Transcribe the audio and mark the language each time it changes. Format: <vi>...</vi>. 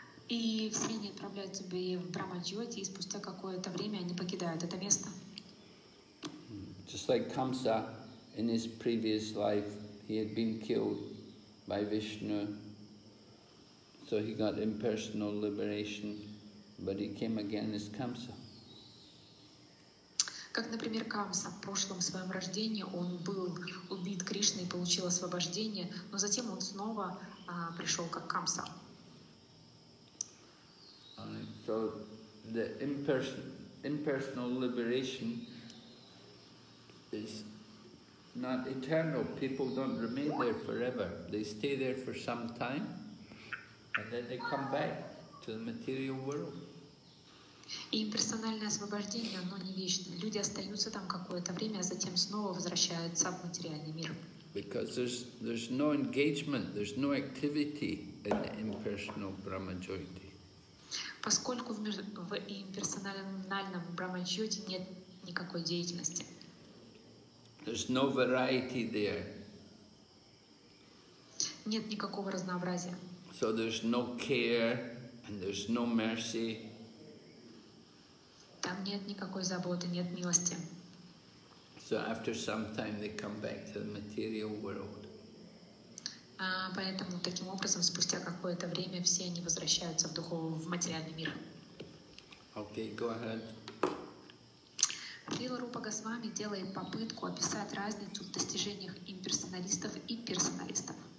<ru>И все они отправляются в Брахма Джоти, и спустя какое-то время они покидают это место.</ru> <en>Just like Kamsa. In his previous life, he had been killed by Vishnu, so he got impersonal liberation, but he came again as Kamsa.</en> <ru>Как, например, Камса в прошлом своем рождении он был убит Кришной и получил освобождение, но затем он снова пришел как Камса.</ru> <en>So the impersonal liberation is not eternal. People don't remain there forever. They stay there for some time, and then they come back to the material world.</en> <ru>Имперсональное освобождение, оно не вечно. Люди остаются там какое-то время, а затем снова возвращаются в материальный мир.</ru> <en>Because there's no engagement, there's no activity in the impersonal Brahma Jyoti.</en> <ru>Поскольку в имперсональном Брахма Джоти нет никакой деятельности.</ru> <en>There's no variety there.</en> <ru>Нет никакого разнообразия.</ru> <en>So there's no care and there's no mercy.</en> <ru>Там нет никакой заботы, нет милости.</ru> <en>So after some time they come back to the material world.</en> <ru>Поэтому таким образом спустя какое-то время все они возвращаются в материальный мир.</ru> <en>Okay, go ahead.</en> <ru>Шрила Рупа Госвами делает попытку описать разницу в достижениях имперсоналистов и персоналистов.</ru>